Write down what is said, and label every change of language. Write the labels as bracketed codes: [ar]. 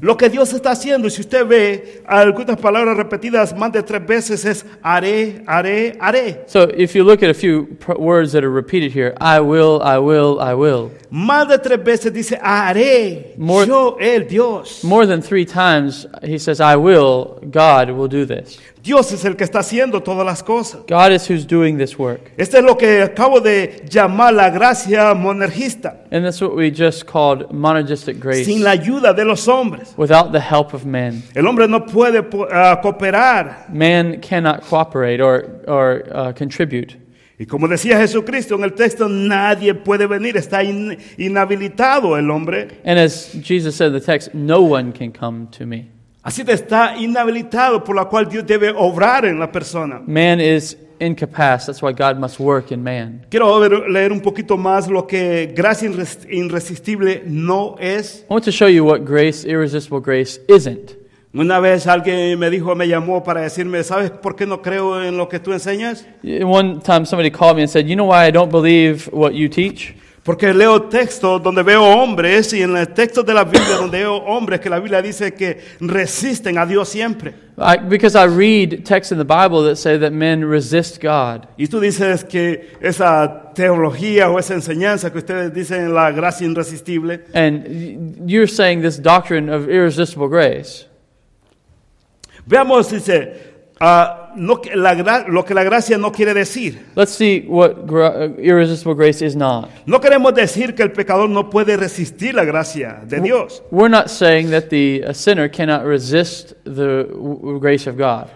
[es] Lo que Dios está haciendo, si usted ve algunas palabras repetidas más de tres veces, es haré, haré, haré. [en] So, if you look at a few words that are repeated here, I will, I will, I will. [es] Más de tres veces dice haré, [en] more, [es] yo, el Dios. [en] More than three times, he says, I will do this. [es] Dios es el que está haciendo todas las cosas. [en] God is who's doing this work. [es] Este es lo que acabo de llamar la gracia monergista. [en] And that's what we just called monergistic grace. [es] Sin la ayuda de los hombres. [en] Without the help of men. [es] El hombre no puede cooperar. [en] Man cannot cooperate or contribute. [es] Y como decía Jesucristo en el texto, nadie puede venir, está inhabilitado el hombre. [en] And as Jesus said in the text, no one can come to me. [es] Así que está inhabilitado, por lo cual Dios debe obrar en la persona. [en] Man is incapacitated, that's why God must work in man. [es] Quiero leer un poquito más lo que gracia irresistible no es. [en] I want to show you what grace, irresistible grace, isn't. [es] Una vez alguien me dijo, me llamó para decirme, ¿sabes por qué no creo en lo que tú enseñas? [en] One time somebody called me and said, you know why I don't believe what you teach? [es] Porque leo textos donde veo hombres y en el texto de la Biblia donde veo hombres que la Biblia dice que resisten a Dios siempre. [en] Because I read texts in the Bible that say that men resist God. [es] Y tú dices que esa teología o esa enseñanza que ustedes dicen la gracia irresistible. [en] And you're saying this doctrine of irresistible grace. [es] Veamos, dice, lo que la gracia no quiere decir. [en] Let's see what irresistible grace is not. [es] No queremos decir que el pecador no puede resistir la gracia de Dios. [en] We're not saying that a sinner cannot resist the grace of God.